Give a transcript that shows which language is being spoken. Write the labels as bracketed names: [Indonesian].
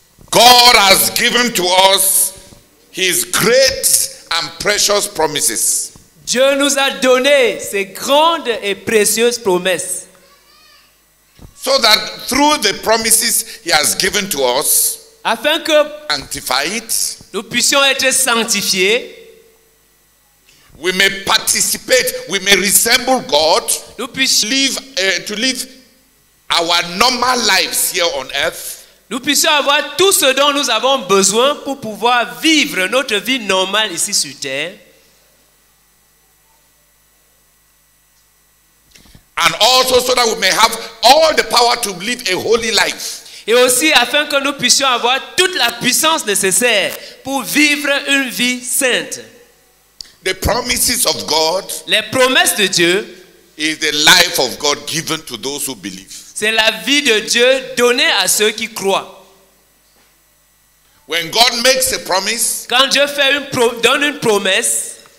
[English] God has given to us his great and precious promises. [French] Dieu nous a donné ses grandes et précieuses promesses. [English] So that through the promises he has given to us, [French] afin que [English] sanctified, [French] nous puissions être sanctifiés, [English] we may participate, we may resemble God, [French] nous puissions [English] live our normal lives here on earth, [French] nous puissions avoir tout ce dont nous avons besoin pour pouvoir vivre notre vie normale ici sur terre. [English] And also so that we may have all the power to live a holy life. [French] Et aussi afin que nous puissions avoir toute la puissance nécessaire pour vivre une vie sainte. [English] The promises of God. [French] Les promesses de Dieu. [English] Is the life of God given to those who believe. [French] C'est la vie de Dieu donnée à ceux qui croient. [English] When God makes a promise. [French] Quand Dieu fait une donne une promesse.